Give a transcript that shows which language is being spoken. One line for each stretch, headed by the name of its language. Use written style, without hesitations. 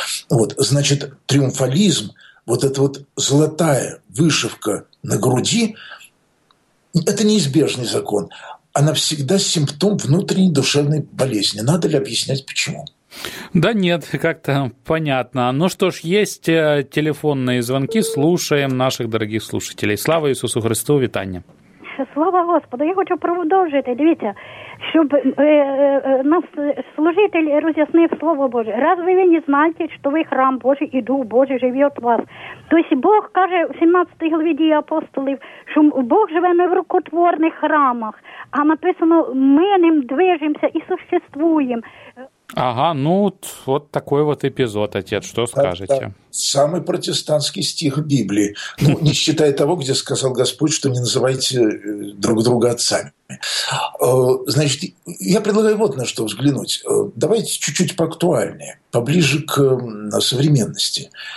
Russian: Вот, значит, триумфализм, вот эта вот золотая вышивка на груди – это неизбежный закон. Она всегда симптом внутренней душевной болезни. Надо ли объяснять, почему? Да нет, как-то понятно. Ну что ж, есть телефонные звонки, слушаем наших дорогих слушателей.
Ukrainian: Слава Ісусу Христу, вітання. Слава Господу, я хочу продовжити, дивіться, щоб нам служитель роз'яснив Слово Боже. Разве ви не знаєте, що ви храм Божий і Дух Божий живе от вас? Тобто Бог каже в 17 главі Дії апостолів, що Бог живе не в рукотворних храмах, а написано «ми ним движемося і существуємо».
Russian: Ага, ну вот такой вот эпизод, отец, что скажете? Это самый протестантский стих Библии. Ну, не считая того, где сказал Господь, что не называйте друг друга отцами. Значит, я предлагаю вот на что взглянуть. Давайте чуть-чуть поактуальнее, поближе к современности.